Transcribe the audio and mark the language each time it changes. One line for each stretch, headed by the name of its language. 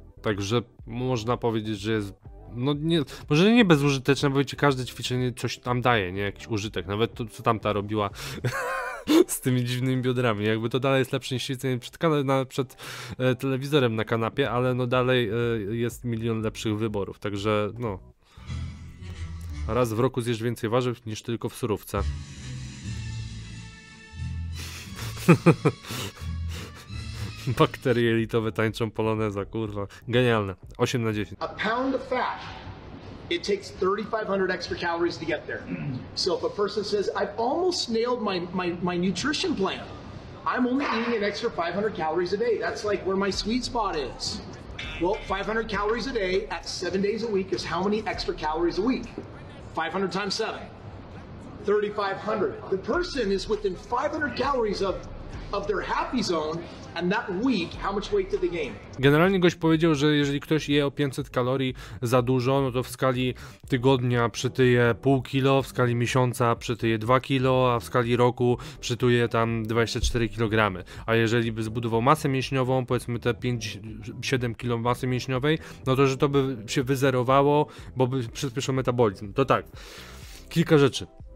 Polish: Także można powiedzieć, że jest, no nie, może nie bezużyteczne, bo wiecie, każde ćwiczenie coś tam daje, nie, jakiś użytek, nawet to, co tamta robiła z tymi dziwnymi biodrami, jakby to dalej jest lepsze niż ćwiczenie przed telewizorem na kanapie, ale no dalej jest milion lepszych wyborów, także no. Raz w roku zjesz więcej warzyw niż tylko w surówce. Bakterie jelitowe tańczą poloneza, kurwa. Genialne. 8 na 10.
English: A pound of fat, it takes 3500 extra calories to get there. So if a person says, I've almost nailed my nutrition plan, I'm only eating an extra 500 calories a day. That's like where my sweet spot is. Well, 500 calories a day at 7 days a week is how many extra calories a week? 500 times 7. 3500. The person is within 500 calories of their happy zone. And that week, how much weight did they gain?
Polish: Generalnie gość powiedział, że jeżeli ktoś je o 500 kalorii za dużo, no to w skali tygodnia przytyje pół kilo, w skali miesiąca przytyje 2 kilo, a w skali roku przytyje tam 24 kg. A jeżeli by zbudował masę mięśniową, powiedzmy te 5-7 kilo masy mięśniowej, no to że to by się wyzerowało, bo by przyspieszył metabolizm. To tak. kilka rzeczy.